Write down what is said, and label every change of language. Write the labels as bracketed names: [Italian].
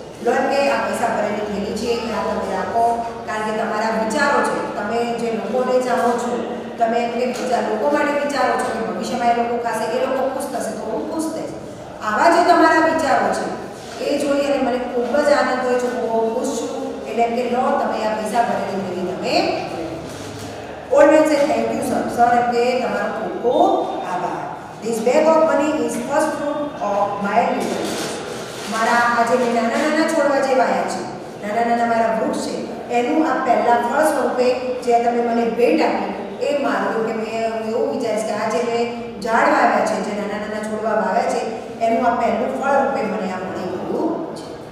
[Gujarati] લો કે આ પૈસા ભરેલી થયેલી છે, એ આ તમે રાખો. કારણ કે તમારા વિચારો છે, તમે જે લોકોને જાણો છો, તમે એમને બીજા લોકો માટે વિચારો છો કે ભવિષ્યમાં એ લોકો ખાશે, એ લોકો ખુશ થશે તો હું ખુશ થઈશ. આવા જે તમારા વિચારો છે એ જોઈ અને મને ખૂબ જ આનંદ હોય છે, હું બહુ ખુશ છું. એટલે એમ કે લો તમે આ પૈસા ભરેલી થયેલી તમે [English] Always say thank you sir. [Gujarati] Sir એમ કે તમારો ખૂબ ખૂબ આભાર. [English] This bag of money is first fruit of my relationship. [Gujarati] મારા આ જે નાના નાના છોડવા જે વાયા છે, નાના નાના મારા વૃક્ષ છે, એનું આ પહેલા ફળ સ્વરૂપે જે તમે મને ભેટ આપી એ માર્યું. કે મેં હું એવું વિચારીશ કે આ જે મેં ઝાડ વાવ્યા છે, જે નાના નાના છોડવા વાવ્યા છે, એનું આ પહેલું ફળ રૂપે મને આ મળી ગયું છે.